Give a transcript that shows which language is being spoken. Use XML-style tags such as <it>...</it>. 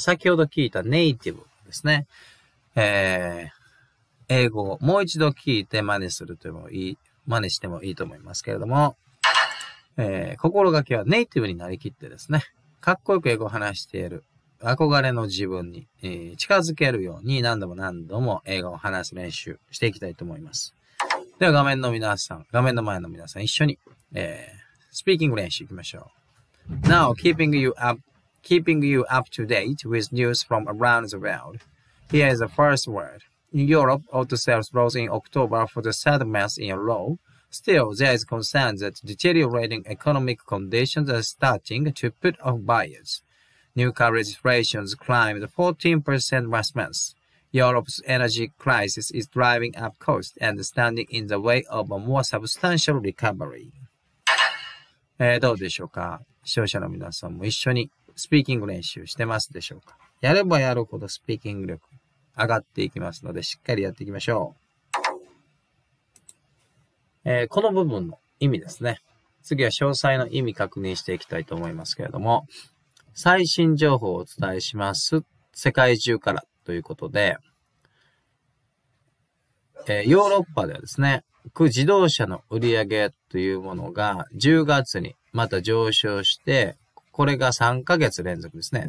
<ja>先ほど聞いたネイティブですね、英語をもう一度聞いて真似するというのもいい、真似してもいいと思いますけれども、心がけはネイティブになりきってですね、かっこよく英語を話している憧れの自分に、近づけるように何度も何度も英語を話す練習していきたいと思います。では画面の皆さん、画面の前の皆さん、一緒に、スピーキング練習いきましょう。</ja> <en>Now, keeping you up to date with news from around the world. Here is the first word. In Europe, auto sales rose in October for the third month in a row. Still, there is concern that deteriorating economic conditions are starting to put off buyers. New car registrations climbed 14% last month. Europe's energy crisis is driving up costs and standing in the way of a more substantial recovery.</en> <ja>どうでしょうか？視聴者の皆さんも一緒にスピーキング練習してますでしょうか？やればやるほどスピーキング力上がっていきますので、しっかりやっていきましょう。この部分の意味ですね、次は詳細の意味確認していきたいと思いますけれども、最新情報をお伝えします、世界中からということで、ヨーロッパではですね、自動車の売り上げというものが10月にまた上昇して、これが3ヶ月連続ですね。</ja>